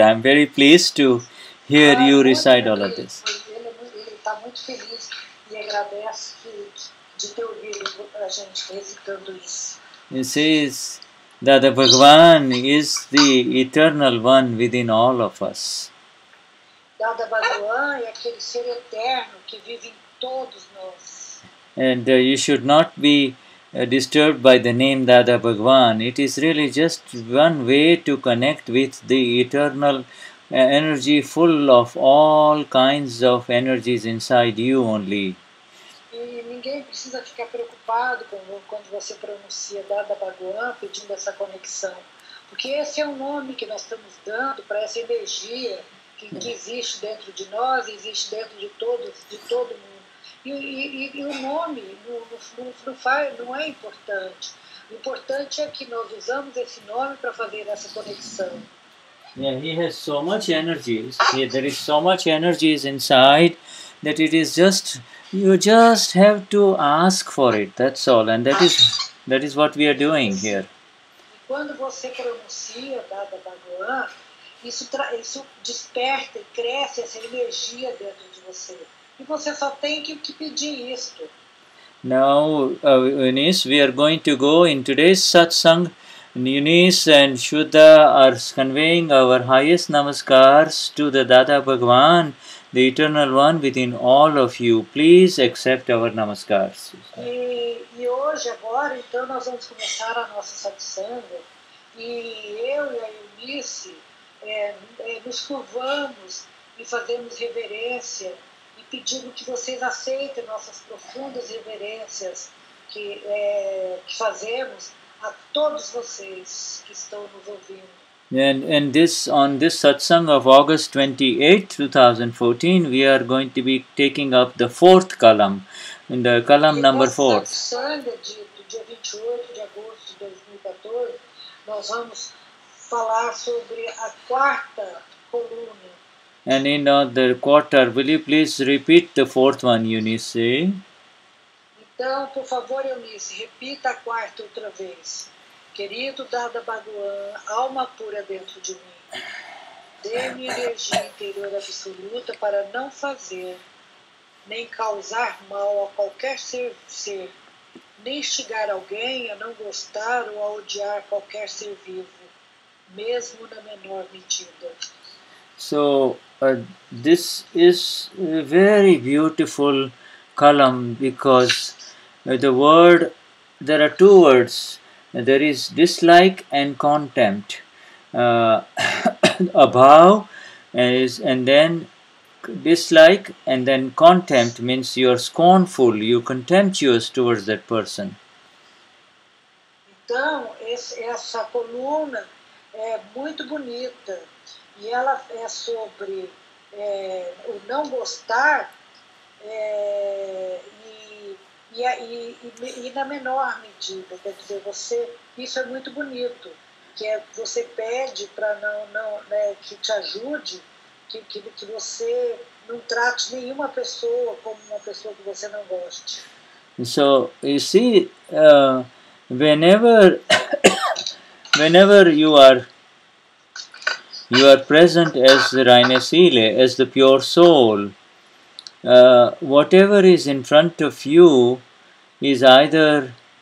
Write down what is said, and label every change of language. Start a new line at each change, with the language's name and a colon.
English: I'm very pleased to hear you recite all of this.
Portuguese: Está muito feliz e agradeço de ter ouvido a gente recitando isso.
English: This is that the Bhagavan is the eternal one within all of us.
Portuguese: Dada Bhagavan é aquele ser eterno que vive em todos nós.
English: And you should not be disturbed by the name Dada Bhagavan. It is really just one way to connect with the eternal energy full of all kinds of energies inside you only.
Portuguese: E ninguém precisa ficar preocupado quando você pronuncia Dada Bhagavan pedindo essa conexão. Porque esse é o nome que nós estamos dando para essa energia que existe dentro de nós e existe dentro de todos, de todo mundo. E o nome não é importante. O importante é que nós usamos esse nome para fazer essa conexão.
English: Yeah, he has so much energy. Yeah, there is so much energy inside that it is just, you just have to ask for it. That's all. And that is what we are doing here.
Portuguese: Quando você pronuncia Dada Bhagwan, isso desperta e cresce essa energia dentro de você. E você só tem que pedir isto.
English: Now, Eunice, we are going to go in today's satsang. Eunice and Shuddha are conveying our highest namaskars to the Dada Bhagwan, the Eternal One within all of you. Please accept our namaskars.
Portuguese: E hoje, agora, então, nós vamos começar a nossa satsanga. E eu e a Eunice nos curvamos e fazemos reverência e pedindo que vocês aceitem nossas profundas reverências que fazemos a todos vocês que estão nos ouvindo.
English: And this, on this satsang of August 28, 2014, we are going to be taking up the fourth column, in the column
Portuguese: e
English: number 4.
Portuguese: Satsanga do dia 28 de agosto de 2014, nós vamos falar sobre a quarta coluna.
English: And in the quarter, will you please repeat the fourth one, Eunice?
Portuguese: Então, por favor, Eunice, repita a quarta outra vez. Querido Dada Bhagwan, alma pura dentro de mim, dê-me energia interior absoluta para não fazer nem causar mal a qualquer ser, nem instigar alguém a não gostar ou a odiar qualquer ser vivo, mesmo na menor medida.
English: So, this is a very beautiful column because the word, there are two words. There is dislike and contempt. Abhav is, and then dislike and then contempt means you are scornful, you contemptuous towards that person.
Portuguese: Então, essa coluna é muito bonita e ela é sobre o não gostar e na menor medida, quer dizer, você, isso é muito bonito, que é você pede para que te ajude, que você não trate nenhuma pessoa como uma pessoa que você não goste.
English: So, you see, whenever you are present as the Raina Sile, as the pure soul, whatever is in front of you is either